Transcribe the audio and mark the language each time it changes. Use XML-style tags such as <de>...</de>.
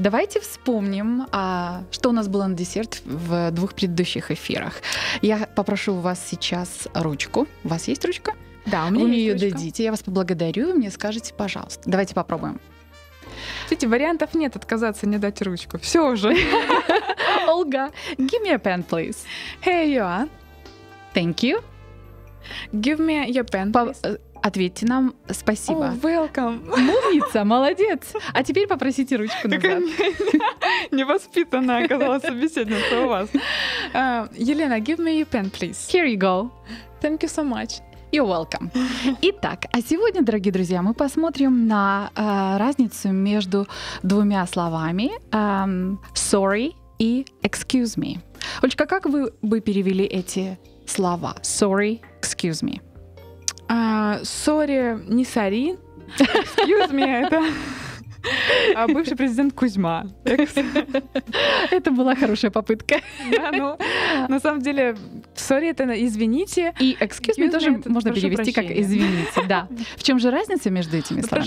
<ru>Давайте вспомним, что у нас было на десерт в двух предыдущих эфирах. Я попрошу у вас сейчас ручку. У вас есть ручка? Да, у меня есть ручка. Вы мне ее дадите, я вас поблагодарю, вы мне скажете, пожалуйста. Давайте попробуем. Смотрите, вариантов нет отказаться, не дать ручку. Все уже.</ru> <en>Ольга, give me a pen, please. Here you are. Thank you. Give me your pen, please.</en> <ru>Ответьте нам спасибо.</ru> <en>Oh, welcome.</en> <ru>Умница, молодец. А теперь попросите ручку назад. Какая невоспитанная оказалась собеседница у вас.</ru> <en>Елена, give me your pen, please. Here you go. Thank you so much. You're welcome.</en> <ru>Итак, а сегодня, дорогие друзья, мы посмотрим на разницу между двумя словами sorry и excuse me. Олечка, как вы бы перевели эти слова?</ru> <en>Sorry, excuse me. Sorry, не sorry.</en> <ru>Excuse me — это бывший президент Кузьма. Это была хорошая попытка. Да, ну, на самом деле, sorry — это извините. И excuse me тоже можно перевести как извините, да. В чем же разница между этими словами?</ru>